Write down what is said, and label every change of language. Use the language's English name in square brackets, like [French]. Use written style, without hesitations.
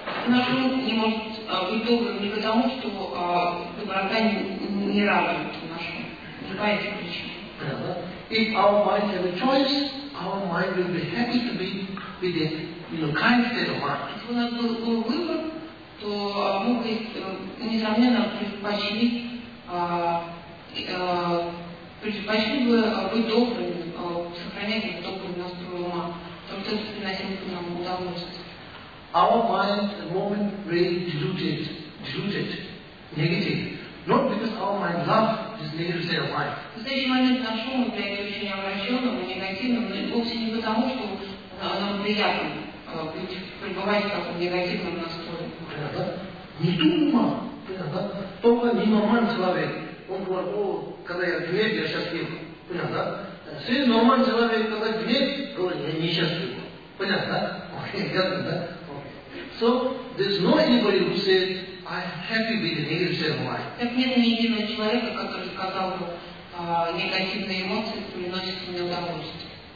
[Russian] Наш ум не может быть добрым не потому, что доброта не радует нашему. Другая эта причина. [English] If our mind has a choice, our mind will be happy to be with a kind state of mind. [Russian] Если у нас был выбор, то мы бы, несомненно, предпочли бы быть добрым, сохранять добрый настрой ума, чтобы это приносило бы нам удовольствие. [English] Our mind at the moment really diluted, negative. Not because our mind loves this negative state of mind. [Russian] В настоящий момент наш ум является очень обращенным и негативным, но вовсе не потому, что нам приятно пребывать в таком негативном настрое. Не дума, только не нормальный человек. Он говорит, о, когда я гнев, я счастлив. Понятно, да? Среди нормальный человек, когда гнев, говорит, я несчастлив. Понятно, да? Окей, ясно, да? [English] So, there's no anybody who said, I'm happy with the negative state of mind. [Russian] Так нет ни единого человека, который сказал бы, негативные эмоции приносят мне удовольствие.